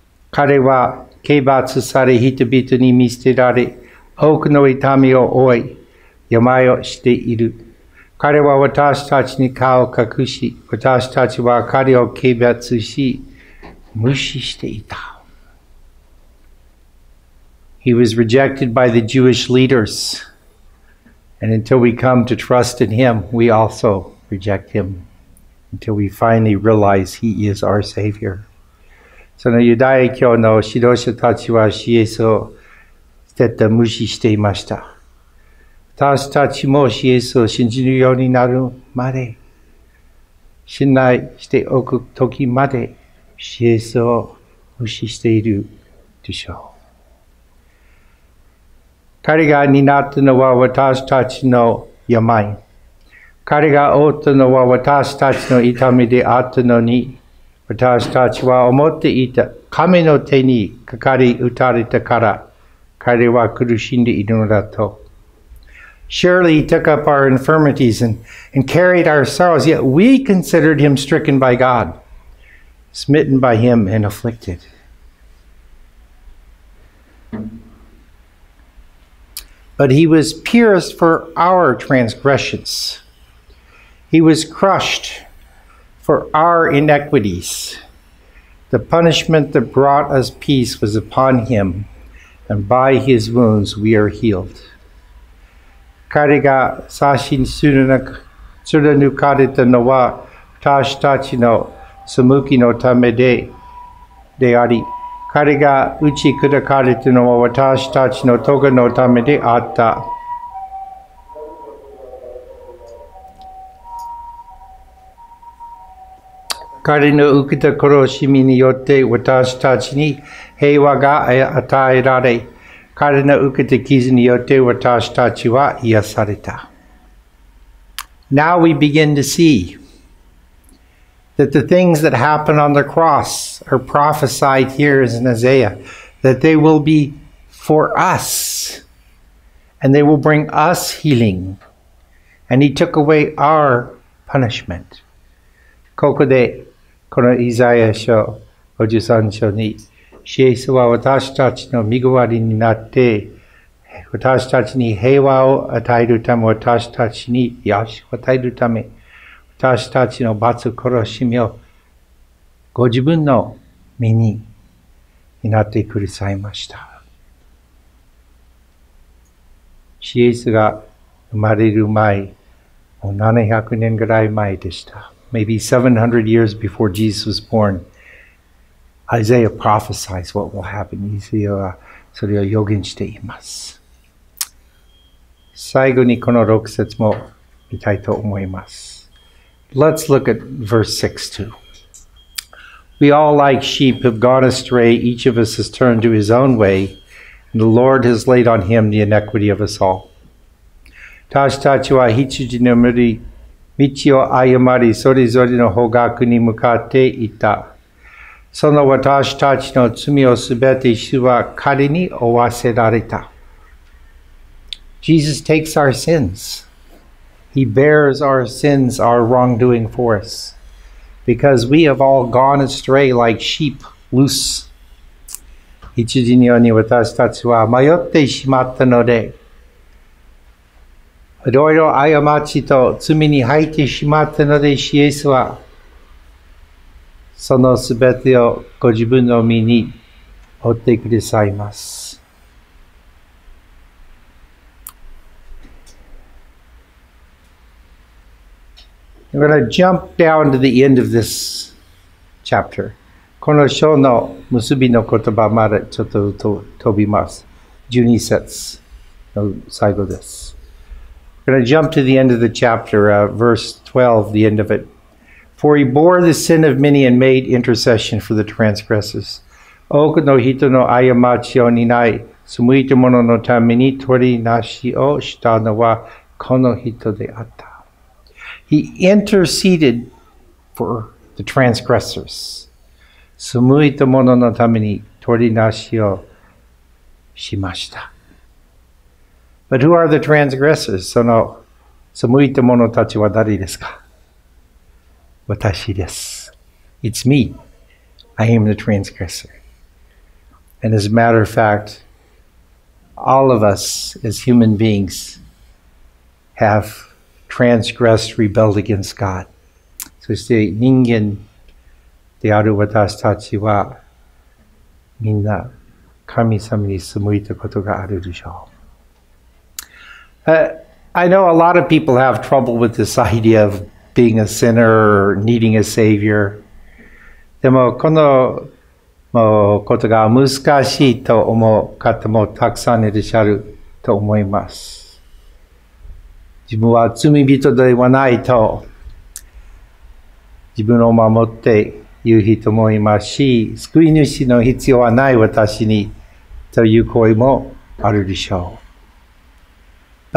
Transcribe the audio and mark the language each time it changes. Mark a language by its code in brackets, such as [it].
[ja] 彼は軽蔑され、人々に見捨てられ、多くの痛みを負い、病をしている。彼は私たちに顔を隠し、私たちは彼を軽蔑し、無視していた。 [en] He was rejected by the Jewish leaders. And until we come to trust in him, we also reject him. Until we finally realize he is our Savior. [ja] そのユダヤ教の指導者たちはイエスを捨てて無視していました。私たちもイエスを信じるようになるまで、信頼しておく時までイエスを無視しているでしょう。彼が担ったのは私たちの病。彼が負ったのは私たちの痛みであったのに、私たちは思っていた神の手にかかり打たれたから、彼は苦しんでいるのだと。 [en] Surely he took up our infirmities and carried our sorrows, yet we considered him stricken by God, smitten by him and afflicted. But he was pierced for our transgressions. He was crushed for our iniquities. The punishment that brought us peace was upon him, and by his wounds we are healed. [ja] 彼が刺しに貫かれたのは私たちの背きのためであり、彼が打ち砕かれたのは私たちの咎のためであった。彼の受けた苦しみによって私たちに平和が与えられ、彼の受けた傷によって私たちは癒された。 [en] Now we begin to see that the things that happen on the cross are prophesied here in Isaiah, that they will be for us, and they will bring us healing. And he took away our punishment. [ja] ここで、このイザヤ書53章に、主イエスは私たちの身代わりになって、私たちに平和を与えるため、私たちに癒しを与えるため、私たちの罰殺しみをご自分の身になってくださいました。主イエスが生まれる前、もう700年ぐらい前でした。 [en] Maybe 700 years before Jesus was born, Isaiah prophesies what will happen. [ja] イザヤはそれを予言しています。最後にこの6節も見たいと思います。 [en] Let's look at verse 6 too. We all like sheep have gone astray, each of us has turned to his own way, and the Lord has laid on him the iniquity of us all. [ja] 私たちは羊の群れ、道を誤り、それぞれの方角に向かっていた。その私たちの罪をすべて主は彼に負わせられた。 [en] Jesus takes our sins. He bears our sins, our wrongdoing for us, because we have all gone astray like sheep loose. [ja] 一時のように私たちは迷ってしまったので、いろいろ過ちと罪に入ってしまったので、主イエスはそのすべてをご自分の身に負ってくださいます。 [en] I'm going to jump down to the end of this chapter. [ja] この章の結びの言葉までちょっと飛びます。 12節の最後です。 [en] I'm going to jump to the end of the chapter, verse 12, the end of it. For he bore the sin of many and made intercession for the transgressors. [ja] 多くの人の過ちを担い、背いた者のために取りなしをしたのはこの人であった。 [en] He interceded for the transgressors. [ja] 背いた者のために取りなしをしました。 [en] But who are the transgressors? [ja] その背いた者たちは誰ですか？私です。 [en] It's me. I am the transgressor. And as a matter of fact, all of us as human beings have transgressed, rebelled against God. [ja] そして人間である私たちはみんな神様に背いたことがあるでしょう。 [en] I know a lot of people have trouble with this idea of being a sinner or needing a savior. [ja] でもこのもうことが難しいと思う方もたくさんいらっしゃると思います。自分は罪人ではないと自分を守って言う人もいますし、救い主の必要はない私にという声もあるでしょう。